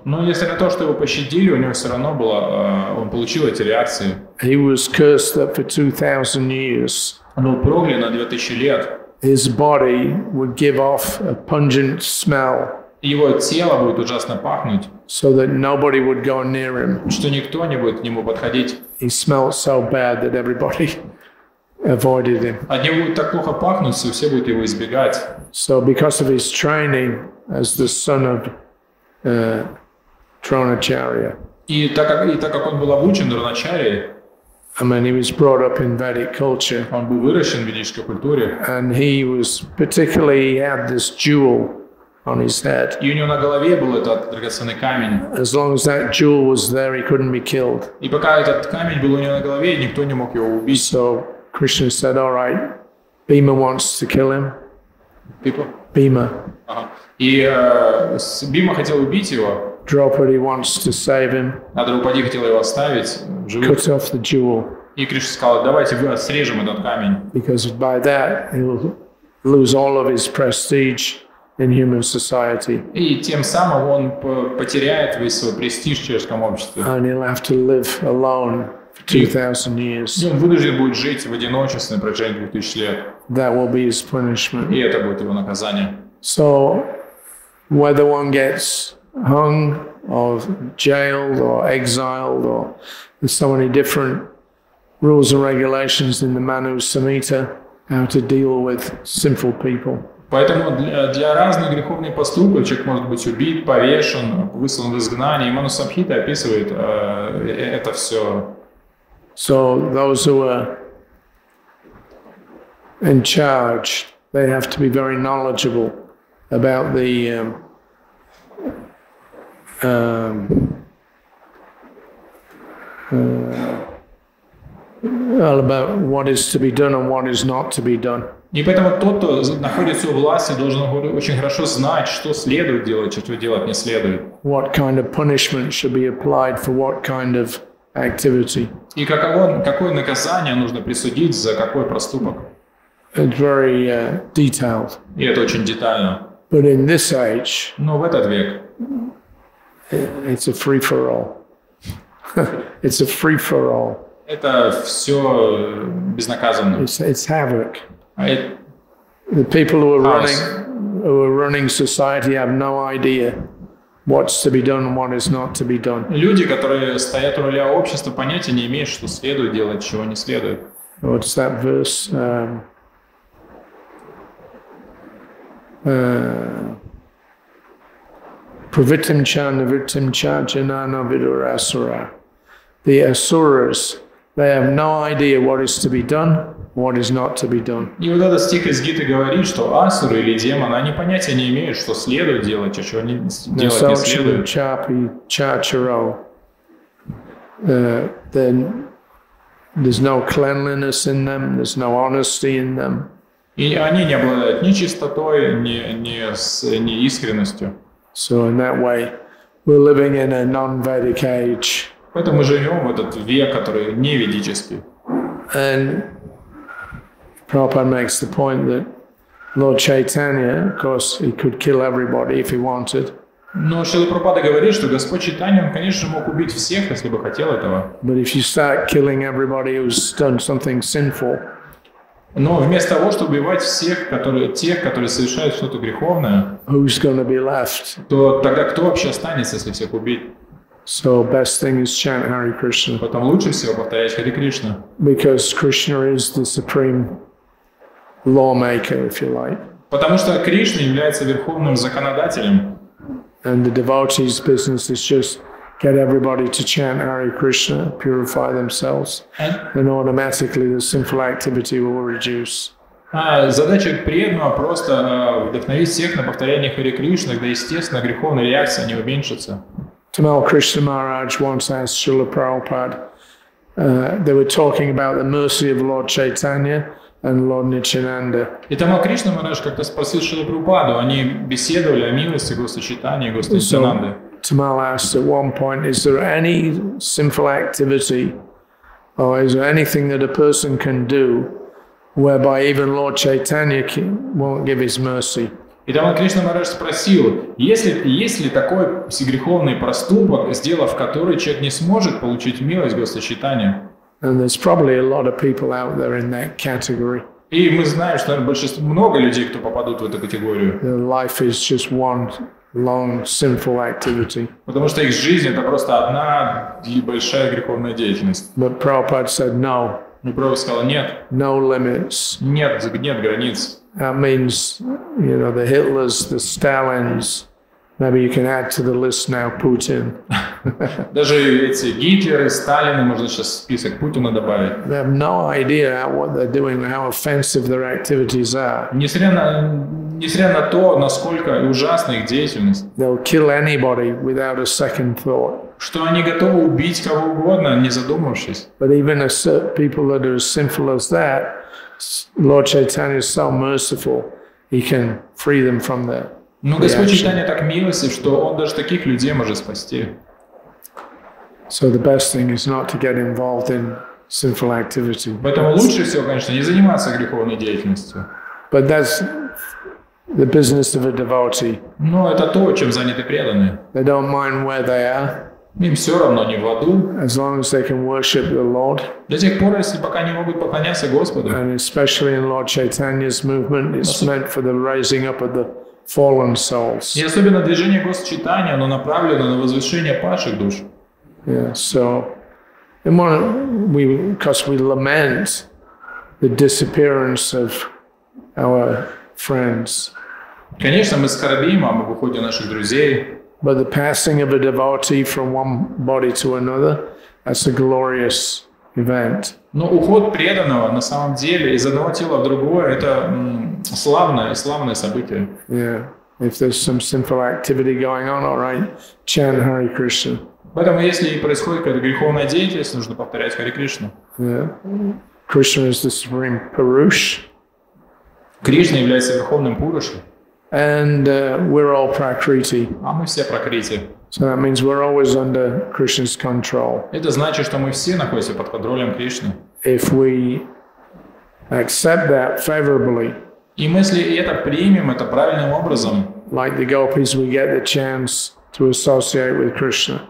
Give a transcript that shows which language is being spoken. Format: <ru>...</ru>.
<ru>Но несмотря на то, что его пощадили, у него все равно было, он получил эти реакции.</ru> <en>He was cursed that for 2,000 years.</en> <ru>Он был проклят на 2,000 лет.</ru> <en>His body would give off a pungent smell.</en> <ru>Его тело будет ужасно пахнуть.</ru> <en>So that nobody would go near him.</en> <ru>Что никто не будет к нему подходить.</ru> <en>He smelled so bad that everybody avoided him.</en> <ru>От него будет так плохо пахнуть, что все будут его избегать.</ru> <en>So because of his training as the son of Дроначарья.</en> <ru>И так как он был обучен Дроначарье.</ru> <en>I mean, he was brought up in Vedic culture.</en> <ru>Он был выращен в ведической культуре.</ru> <en>And he was particularly he had this jewel. On his head.</en> <ru>И у него на голове был этот драгоценный камень.</ru> <en>As long as that jewel was there, he couldn't be killed.</en> <ru>И пока этот камень был у него на голове, никто не мог его убить.</ru> <en>So Krishna said, "All right, Bhima wants to kill him." Bhima.</en> <ru>И Бхима хотел убить его.</ru> <en>Draupadi wants to save him.</en> <ru>А Драупади хотела его оставить.</ru> <en>Cut off the jewel.</en> <ru>И Кришна сказал, "Давайте мы срежем этот камень."</ru> <en>Because by that he'll lose all of his prestige. In human society.</en> <ru>И тем самым он потеряет весь свой престиж в человеческом обществе.</ru> <en>And he'll have to live alone for 2,000 years.</en> <ru>И он вынужден будет жить в одиночестве на протяжении 2,000 лет.</ru> <en>That will be his punishment.</en> <ru>И это будет его наказание.</ru> <en>So, whether one gets hung or jailed or exiled or there's so many different rules and regulations in the Manu Samhita how to deal with sinful people.</en> <ru>Поэтому для разных греховных поступков человек может быть убит, повешен, выслан в изгнание. И Манусамхита описывает это все.</ru> <en>So those who are in charge, they have to be very knowledgeable about the all about what is to be done and what is not to be done.</en> <ru>И поэтому тот, кто находится у власти, должен очень хорошо знать, что следует делать, что делать не следует.</ru> <en>What kind of punishment should be applied for what kind of activity?</en> <ru>И какое наказание нужно присудить за какой проступок?</ru> <en>It's very detailed.</en> <ru>И это очень детально.</ru> <en>But in this age,</en> <ru>но в этот век,</ru> <en>it's a free for all. It's a free for all.</en> <ru>Это все безнаказанно.</ru> <en>It's havoc. The people who are running society have no idea what's to be done and what is not to be done.</en> <ru>Люди, которые стоят у руля общества, понятия не имеют, что следует делать, чего не следует.</ru> <en>What's that verse?</en> <sa>Pravittim cha navittim cha janana vidura asura.</sa> <en>The asuras, they have no idea what is to be done. What is not to be done.</en> <ru>И вот этот стих из Гиты говорит, что асуры или демоны, они понятия не имеют, что следует делать, а чего делать не следует.</ru> <sa>Чапи, чачаро.</sa> <en>Then there's no cleanliness in them, there's no honesty in them.</en> <ru>И они не обладают ни чистотой, ни искренностью.</ru> <en>So in that way, we're living in a non-Vedic age.</en> <ru>Поэтому мы живем в этот век, который не ведический.</ru> <en>And Prabhupada makes the point that Lord Chaitanya, of course, he could kill everybody if he wanted.</en> <ru>Но Шрила Прабхупада говорит, что Господь Чайтанья, он, конечно, мог убить всех, если бы хотел этого.</ru> <en>But if you start killing everybody who's done something sinful.</en> <ru>Но вместо того, чтобы убивать всех, которые, тех, которые совершают что-то греховное,</ru> <en>who's gonna be left?</en> <ru>То тогда кто вообще останется, если всех убить?</ru> <en>So best thing is chant Hare Krishna.</en> <ru>Потом лучше всего повторять Хари Кришна.</ru> <en>Because Krishna is the supreme lawmaker, if you like.</en> <ru>Потому что Кришна является верховным законодателем.</ru> <en>And the devotee's business is just get everybody to chant Hare Krishna, purify themselves, and automatically the sinful activity will reduce.</en> <ru>Задача преданного просто вдохновить всех на повторение Хари Кришна, когда естественно греховная реакция не уменьшится.</ru> <en>Tamal Krishna Maharaj once asked Srila Prabhupada, they were talking about the mercy of Lord Chaitanya and Lord Nityananda.</en> <ru>И Tamal Krishna Maharaj как-то спросил Srila Prabhupada, они беседовали о милости Господа Чайтаньи и Господа Нитьянанды.</ru> <en>Tamal asked at one point, is there any sinful activity or is there anything that a person can do whereby even Lord Chaitanya won't give his mercy?</en> <ru>И Тамал Кришна Мараш спросил, есть ли такой всегреховный проступок, сделав который человек не сможет получить милость Господа Чайтаньи?</ru> <en>And there's probably a lot of people out there in that category.</en> <ru>И мы знаем, что большинство, много людей, кто попадут в эту категорию.</ru> <en>Their life is just one long sinful activity.</en> <ru>Потому что их жизнь это просто одна большая греховная деятельность.</ru> <en>But Prabhupada said no.</en> <ru>И Прабху сказал нет.</ru> <en>No limits.</en> <ru>Нет границ.</ru> <en>That means, you know, the Hitlers, the Stalins. Maybe you can add to the list now Putin.</en> <ru>Даже эти Гитлеры, Сталины, можно сейчас список Путина добавить.</ru> <en>They have no idea what they're doing, how offensive their activities are.</en> <ru>Несмотря на то, насколько ужасна их деятельность.</ru> <en>They'll kill anybody without a second thought.</en> <ru>Что они готовы убить кого угодно, не задумавшись.</ru> <en>But even as people that are as sinful as that. Lord Chaitanya is so merciful, he can free them from their reaction.</en> <ru>Но Господь Чайтанья так милостив, что он даже таких людей может спасти.</ru> <en>So the best thing is not to get involved in sinful activity.</en> <ru>Поэтому лучше всего, конечно, не заниматься греховной деятельностью.</ru> <en>But that's the business of a devotee.</en> <ru>Но это то, чем заняты преданные.</ru> <en>They don't mind where they are.</en> <ru>Им все равно, они в аду.</ru> <en>As long as they can worship the Lord.</en> <ru>До тех пор, если пока не могут поклоняться Господу.</ru> <en>And especially in Lord Chaitanya's movement, it's meant for the raising up of the fallen souls.</en> <ru>И особенно движение Господа Чайтанья, оно направлено на возвышение падших душ.</ru> <en>Yeah, so in one, because we lament the disappearance of our friends.</en> <ru>Конечно, мы скорбим об уходе наших друзей.</ru> <en>But the passing of a devotee from one body to another, that's a glorious event.</en> <ru>Но уход преданного на самом деле из одного тела в другое это славное событие.</ru> <en>Yeah. If there's some sinful activity going on, all right, chant Hare Krishna.</en> <ru>Поэтому если происходит какая-то греховная деятельность, нужно повторять Хари Кришну.</ru> <en>Yeah. Krishna is the supreme Purush.</en> <ru>Кришна является верховным Пурушей.</ru> <en>And we're all prakriti.</en> <ru>А мы все прокрити.</ru> <en>So that means we're always under Krishna's control.</en> <ru>Это значит, что мы все находимся под контролем Кришны.</ru> <en>If we accept that favorably.</en> <ru>И если это примем, это правильным образом.</ru> <en>Like the gopis, we get the chance to associate with Krishna.</en>